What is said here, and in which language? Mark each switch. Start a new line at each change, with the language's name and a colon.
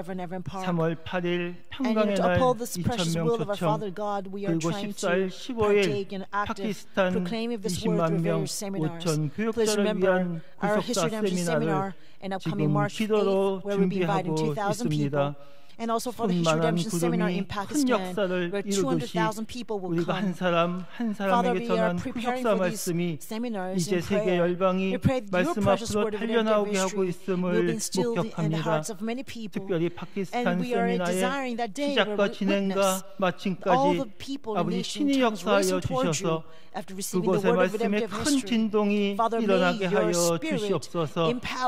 Korean: 3월 8일 평강의 날 2,000명 초청 그리고 14일 15일 파키스탄 20만 명 5천 교역자를 위한 구속사 세미나를 지금 기도로 준비하고 있습니다.
English: And also for the history redemption seminar in Pakistan, where 200,000 people will come.
Korean: 한 사람, 한 사람에게 전한 구속사 말씀이 이제 세계 열방이 말씀 앞으로 달려나오게 하고 있음을 목격합니다. 특별히 파키스탄 세미나의 시작과 진행과 마침까지 아버지 신이 역사하여 주셔서 그곳의 말씀에 큰 진동이 일어나게 하여 주시옵소서.